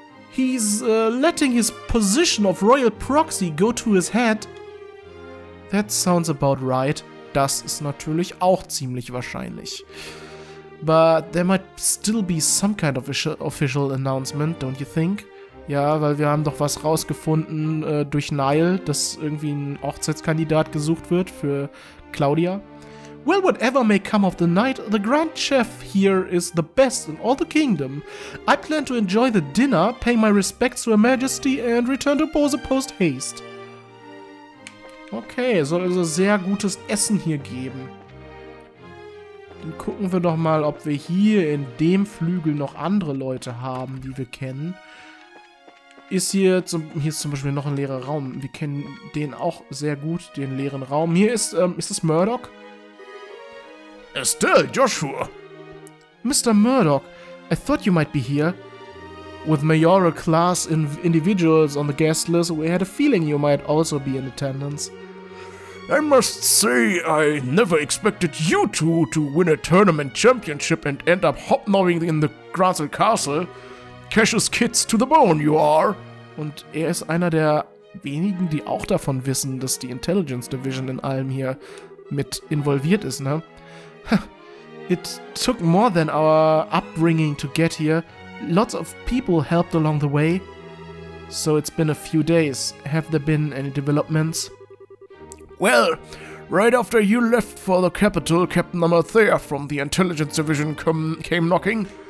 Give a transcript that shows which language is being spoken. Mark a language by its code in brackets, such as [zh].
[en] He's letting his position of royal proxy go to his head. That sounds about right. [de] Das ist natürlich auch ziemlich wahrscheinlich. [en] But there might still be some kind of official announcement, don't you think? [de] Ja, weil wir haben doch was rausgefunden durch Nile, dass irgendwie ein Hochzeitskandidat gesucht wird für Claudia. [en] Well, whatever may come of the night, the Grand Chef here is the best in all the kingdom. I plan to enjoy the dinner, pay my respects to Her Majesty and return to Bose post haste. [de] Okay, soll also sehr gutes Essen hier geben. Dann gucken wir doch mal, ob wir hier in dem Flügel noch andere Leute haben, die wir kennen. Hier ist zum Beispiel noch ein leerer Raum. Wir kennen den auch sehr gut, den leeren Raum. Hier ist, ist das Murdoch? [en] Estelle, Joshua! Mr. Murdoch, I thought you might be here. With mayoral class individuals on the guest list, we had a feeling you might also be in attendance. I must say, I never expected you two to win a tournament championship and end up hobnobbing in the Grandel Castle. Cassius Kids to the bone, you are. [de] Und er ist einer der wenigen, die auch davon wissen, dass die Intelligence Division in allem hier mit involviert ist, ne? [en] It took more than our upbringing to get here. Lots of people helped along the way. So it's been a few days. Have there been any developments? Well, right after you left for the capital, Captain Amalthea from the Intelligence Division came knocking.